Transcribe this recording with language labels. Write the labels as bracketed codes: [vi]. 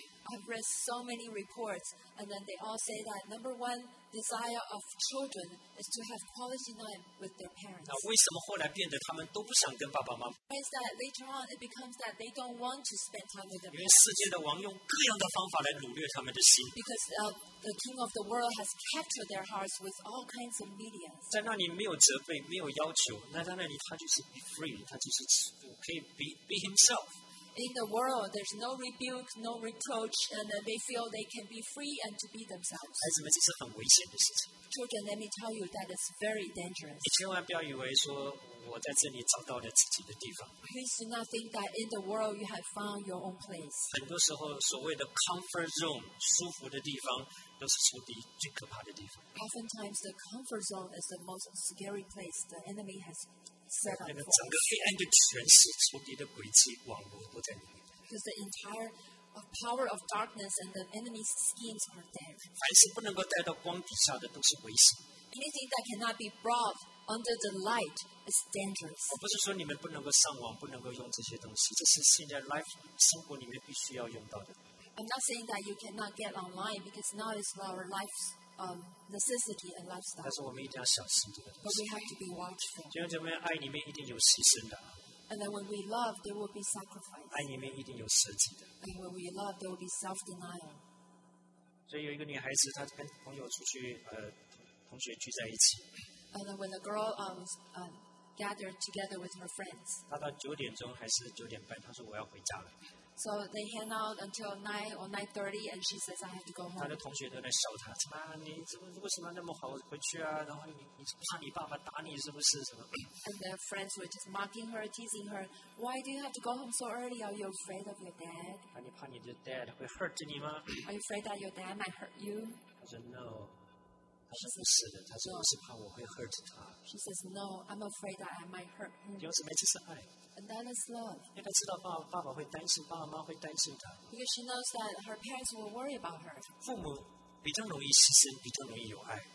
[en] I've read so many reports, and then they all say that number one desire of children is to have quality time with their parents. [zh] 那为什么后来变得他们都不想跟爸爸妈妈 [en] ？Why is that later on it becomes that they don't want to spend time with them? [zh] 因为世界的王用各样的方法来掳掠他们的心。 [en] Because the king of the world has captured their hearts with all kinds of media. [zh] 在那里没有责备，没有要求，那在那里他就是 [en] be free， [zh] 他就是可以 [en] be himself。 In the world, there's no rebuke, no reproach, and they feel they can be free and to be themselves. [zh] 孩子们，这是很危险的事情。 [en] Children, let me tell you that it's very dangerous. [zh] 你千万不要以为说我在这里找到了自己的地方。 [en] Please do not think that in the world you have found your own place. [zh] 很多时候，所谓的 comfort zone， 舒服的地方，都是仇敌最可怕的地方。 [en] Oftentimes, the comfort zone is the most scary place the enemy has. [zh] 那个整个黑暗的权势、仇敌的诡计、网络都在里面。 [en] Because the entire power of darkness and the enemy's schemes are there. [zh] 凡是不能够带到光底下的都是危险。 [en] Anything that cannot be brought under the light is dangerous. [zh] 我不是说你们不能够上网、不能够用这些东西，这是现在 life 生活里面必须要用到的。 [en] I'm not saying that you cannot get online because now it's our life's necessity and lifestyle. [zh] 但是我们一定要小心这个东西。 [en] But we have to be watchful. [zh] 弟兄姐妹，爱里面一定有牺牲的。 [en] And then when we love, there will be sacrifice. [zh] 爱里面一定有舍己的。 [en] And when we love, there will be self-denial. [zh] 所以有一个女孩子，她跟朋友出去，同学聚在一起。 [en] And then when a girl gathered together with her friends. [zh] 她到9点钟还是9点半, [en] so they hang out until 9 or 9:30 and she says, I have to go home. [zh] 她的同学都在笑她, 啊, 你为什么那么好回去啊? 然后你怕你爸爸打你是不是? [en] And their friends were just mocking her, teasing her, why do you have to go home so early? Are you afraid of your dad? [zh] 啊, 你怕你的dad会hurt你吗? [en] Are you afraid that your dad might hurt you? I said, no. [zh] 她说不是的,她说我是怕我会hurt她。 [en] She says, no, I'm afraid that I might hurt him. [zh] 弟兄姊妹,这是爱。 [en] And that is love. [zh] 因为她知道爸爸会担心,爸爸妈妈会担心她。 [en] Because she knows that her parents will worry about her. [zh] 父母比较容易牺牲,比较容易有爱。